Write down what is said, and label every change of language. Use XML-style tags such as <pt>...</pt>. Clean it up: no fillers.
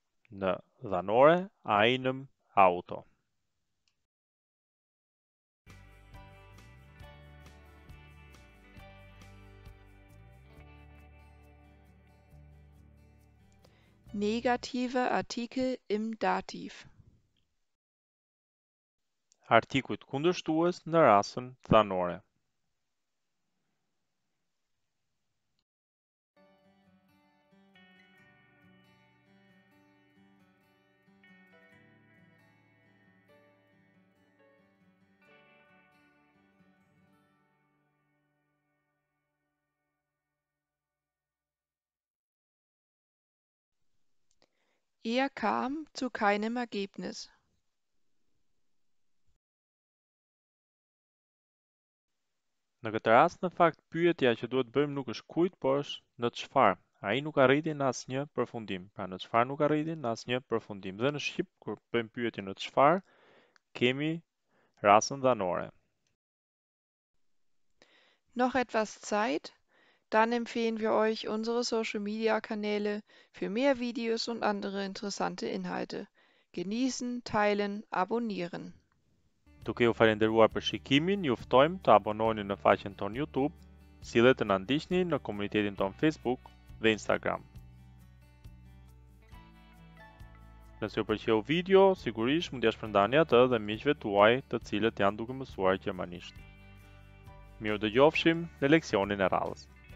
<sq>Në dhanore,</sq> <de>einem Auto. Negative Artikel im Dativ.</de> <sq>Artikuit kundërshtues në rasën thanore.</sq> <de>Er kam zu keinem Ergebnis.</de> <sq>Në këtë rast, në fakt, pyetja që duhet bëjmë nuk është kujt, por është në çfarë. Ai nuk arriti në asnjë përfundim. Pra në çfarë nuk arriti në asnjë përfundim. Dhe në Shqip, kur bëjmë pyetjen në çfarë, kemi rastën dhanore.</sq> <de>Noch etwas Zeit? Dann empfehlen wir euch unsere Social Media Kanäle für mehr Videos und andere interessante Inhalte. Genießen, teilen, abonnieren.</de> <sq>Duke ju falendëruar për shikimin, ju ftojmë të abononi në faqen ton YouTube, si dhe të na ndiqni në komunitetin ton Facebook dhe Instagram. Nëse ju pëlqeu video, sigurisht mund t'ia shpërndani atë dhe miqve tuaj të cilët janë duke mësuar gjermanisht. Mirë dëgjofshim në leksionin e radhës.</sq>